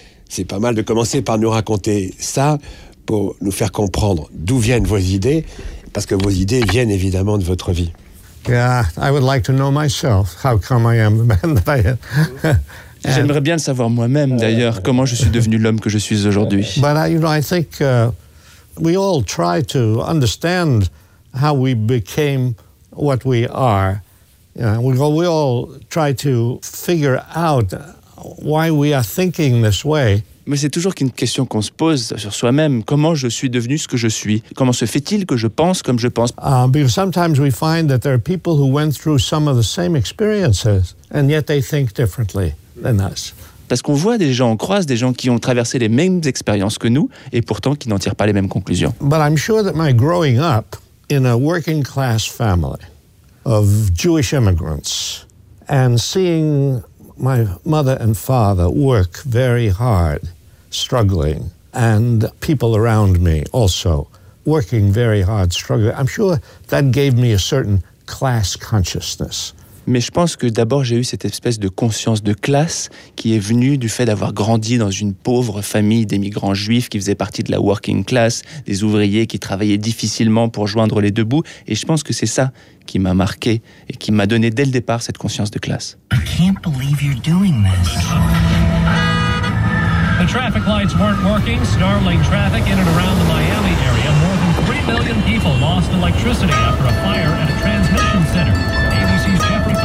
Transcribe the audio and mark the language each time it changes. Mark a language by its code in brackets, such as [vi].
[fr] C'est pas mal de commencer par nous raconter ça pour nous faire comprendre d'où viennent vos idées, parce que vos idées viennent évidemment de votre vie. [en] I would like to know myself how come I am the man that I am. [fr] J'aimerais bien le savoir moi-même d'ailleurs, comment je suis devenu l'homme que je suis aujourd'hui. [en] But I think we all try to understand how we became what we are. You know, we all try to figure out why we are thinking this way. [fr] Mais c'est toujours qu'une question qu'on se pose sur soi-même. Comment je suis devenu ce que je suis? Comment se fait-il que je pense comme je pense? [en] Because sometimes we find that there are people who went through some of the same experiences and yet they think differently than us. [fr] Parce qu'on voit des gens, on croise des gens qui ont traversé les mêmes expériences que nous et pourtant qui n'en tirent pas les mêmes conclusions. [en] But I'm sure that my growing up in a working class family of Jewish immigrants and seeing my mother and father work very hard, struggling, and people around me also working very hard, struggling. I'm sure that gave me a certain class consciousness. [fr] Mais je pense que d'abord j'ai eu cette espèce de conscience de classe qui est venue du fait d'avoir grandi dans une pauvre famille d'émigrants juifs qui faisaient partie de la working class, des ouvriers qui travaillaient difficilement pour joindre les deux bouts. Et je pense que c'est ça qui m'a marqué et qui m'a donné dès le départ cette conscience de classe. [en] I can't believe you're doing this. The traffic lights weren't working, snarling traffic in and around the Miami area. More than 3 million people lost electricity after a fire at a transmission center.